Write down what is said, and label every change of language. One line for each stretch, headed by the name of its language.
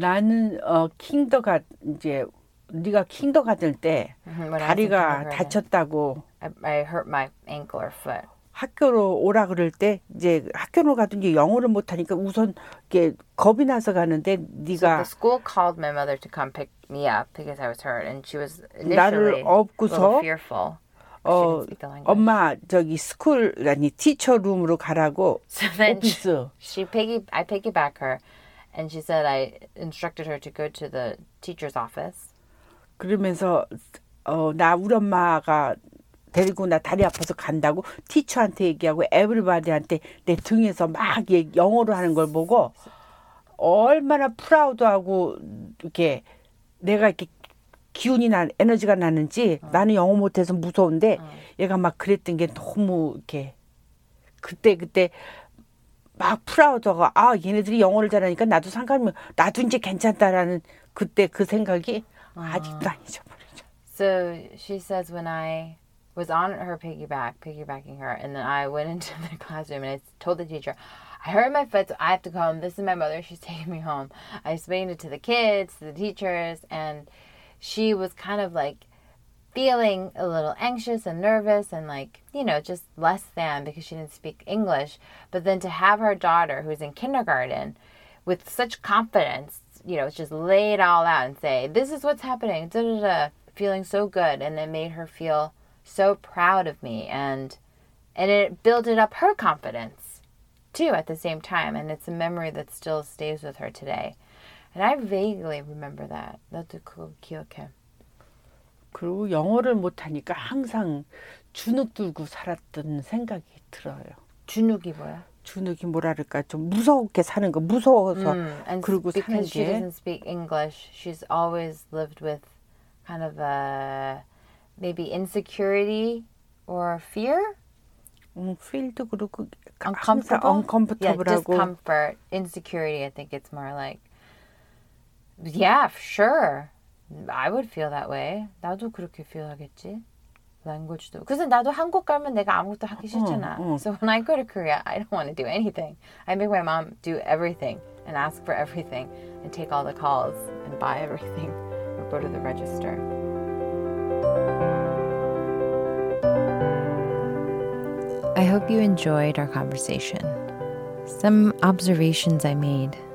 Korean: 나는 킹더가 이제 네가 킹더가 될 때 다리가 다쳤다고.
English: I hurt my ankle or foot.
Korean: 학교로 오라 그럴 때 이제 학교로 가든 이제 영어를 못하니까 우선 이게 겁이 나서 가는데 네가
English: so the school called my mother to come pick me up because I was hurt and she was initially
Korean: 나를 업고서
English: a little fearful. She didn't speak the language.
Korean: 엄마 저기 스쿨 아니 teacher room으로 가라고.
English: So then I piggyback her, and she said I instructed her to go to the teacher's office.
Korean: 그러면서 나 우리 엄마가 데리고 나 다리 아파서 간다고 티처한테 얘기하고 에브리바디한테 내 등에서 막 영어로 하는 걸 보고 얼마나 프라우드하고 이렇게 내가 이렇게 기운이 난 에너지가 나는지 나는 영어 못해서 무서운데 얘가 막 그랬던 게 너무 이렇게 그때 막 프라우드하고 아 얘네들이 영어를 잘하니까 나도 상관없어 나도 이제 괜찮다라는 그때 그 생각이 아직도 안 잊어버리죠.
English: So she says when I was on her piggybacking her, and then I went into the classroom, and I told the teacher, I hurt my foot, so I have to go home. This is my mother. She's taking me home. I explained it to the kids, to the teachers, and she was kind of, like, feeling a little anxious and nervous and, like, you know, just less than because she didn't speak English. But then to have her daughter, who's in kindergarten, with such confidence, you know, just lay it all out and say, this is what's happening, da-da-da, feeling so good, and it made her feel so proud of me, and it built it up her confidence too at the same time, and it's a memory that still stays with her today, and I vaguely remember that.
Korean: 나도 그거 기억해. 그리고 영어를 못하니까 항상 주눅 들고 살았던 생각이 들어요. 주눅이 뭐야? 주눅이 뭐랄까 좀 무서우게 사는 거 무서워서 그리고 사는 게.
English: Because she doesn't speak English, she's always lived with kind of a maybe insecurity or fear?
Korean: Feel도 그렇고
English: uncomfortable?
Korean: Uncomfortable하고.
English: Yeah, discomfort. Insecurity, I think it's more like. Yeah, sure. I would feel that way.
Korean: 나도 그렇게 feel 하겠지.
English: Language도.
Korean: 그래서 나도 한국 가면 내가 아무것도 하기 싫잖아.
English: So when I go to Korea, I don't want to do anything. I make my mom do everything and ask for everything and take all the calls and buy everything or go to the register. I hope you enjoyed our conversation. Some observations I made.